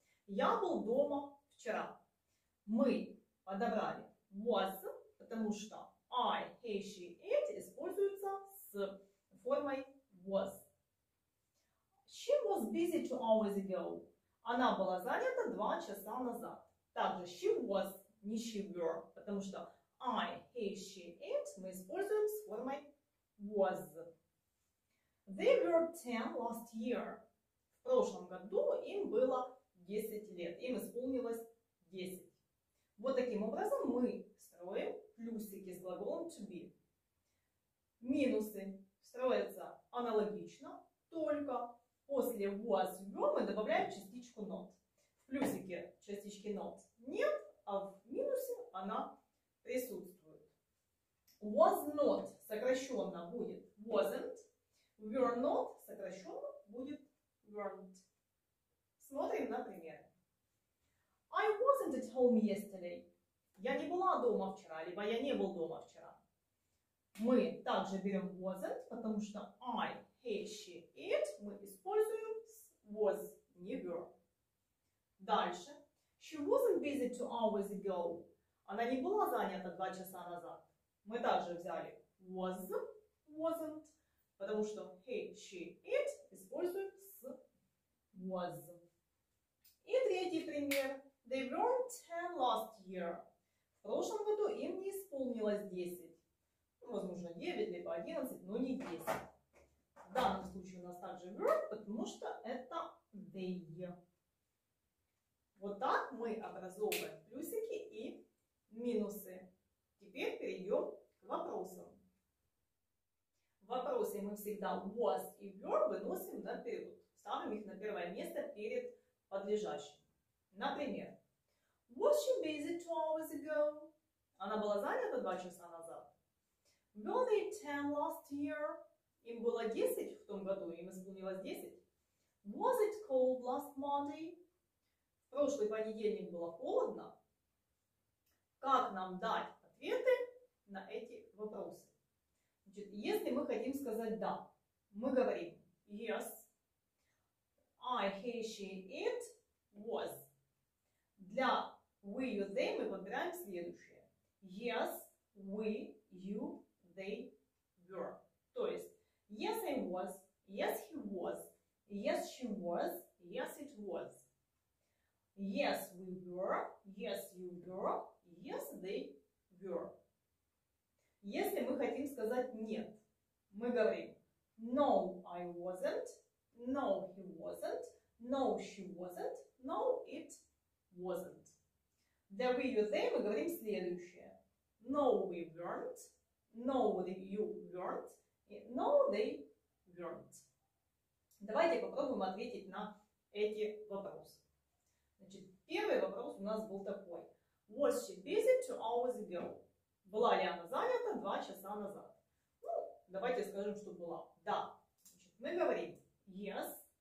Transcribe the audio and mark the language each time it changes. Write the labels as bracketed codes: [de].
[ru] Я был дома вчера. Мы подобрали was, потому что [en] I, he, she, it [ru] используется с формой [en] was. She was busy 2 hours ago. [ru] Она была занята 2 часа назад. Также [en] she was, [ru] не [en] she were, [ru] потому что [en] I, he, she, it [ru] мы используем с формой was. [en] They were 10 last year. [ru] В прошлом году им было 10 лет. Им исполнилось 10. Вот таким образом мы строим плюсики с глаголом [en] to be. [ru] Минусы строятся аналогично, только после [en] was were [ru] мы добавляем частичку not. В плюсике частички not нет, а в минусе она присутствует. [en] Was not [ru] сокращенно будет [en] wasn't, were not сокращенно будет weren't. [ru] Смотрим на пример. [en] I wasn't at home yesterday. [ru] Я не была дома вчера, либо я не был дома вчера. Мы также берем wasn't, потому что [en] I, he, she, it [ru] мы используем с was, не were. Дальше. [en] She wasn't busy 2 hours ago. [ru] Она не была занята 2 часа назад. Мы также взяли [en] was, wasn't, [ru] потому что [en] he, she, it [ru] используют с was. И третий пример. [en] They were 10 last year. [ru] В прошлом году им не исполнилось 10. Возможно, 9, либо 11, но не 10. В данном случае у нас также were, потому что это they. Вот так мы образовываем плюсики и минусы. Теперь перейдем вопросом. Вопросы мы всегда [en] was [ru] и [en] were [ru] выносим наперед. Ставим их на первое место перед подлежащим. Например, [en] was she busy 2 hours ago? [ru] Она была занята 2 часа назад. [en] Were they 10 last year? [ru] Им было 10 в том году, им исполнилось 10. [en] Was it cold last Monday? [ru] В прошлый понедельник было холодно. Как нам дать ответы на эти вопросы? Значит, если мы хотим сказать да, мы говорим [en] yes, I, he, she, it, was. [ru] Для [en] we, you, they [ru] мы подбираем следующее. [en] Yes, we, you, they, were. То есть yes, I was, yes, he was, yes, she was, yes, it was. Yes, we were, yes, you were, yes, they were. [ru] Если мы хотим сказать нет, Мы говорим [en] no, I wasn't, no, he wasn't, no, she wasn't, no, it wasn't. [ru] Для [en] we, you, they [ru] мы говорим следующее. [en] No, we weren't, no, you weren't, no, they weren't. [ru] Давайте попробуем ответить на эти вопросы. Значит, первый вопрос у нас был такой. [en] Was she busy 2 hours ago? [ru] Была ли она занята 2 часа назад? Ну, давайте скажем, что была. Да. Значит, мы говорим [en] yes.